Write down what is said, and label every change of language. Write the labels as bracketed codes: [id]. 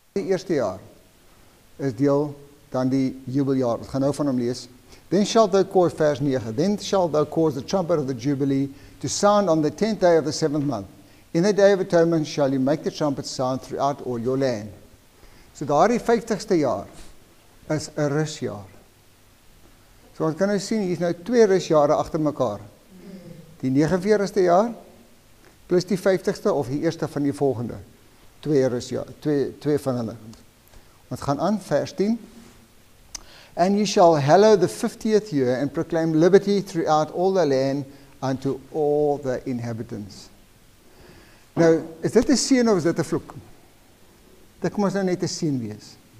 [af] Die eerste jaar is deel dan die jubeljaar. Ons gaan nou van hom lees. [en] Then shalt thou cause, [af] vers 9, [en] then shalt thou cause the trumpet of the jubilee to sound on the 10th day of the 7th month. In the day of atonement shall you make the trumpet sound throughout all your land. [af] So daardie 50ste jaar is 'n rusjaar. So ons kan nou sien, hier is nou 2 rusjare agter mekaar. Die 49ste jaar plus die 50ste of die eerste van die volgende. 2 rusjaar, 2 van hulle. Ons gaan aan vers 10. [en] And you shall hallow the 50th year and proclaim liberty throughout all the land unto all the inhabitants. [af] Nou, is dit 'n seën of is dit 'n vloek? Dit kom ons nou net 'n seën wees.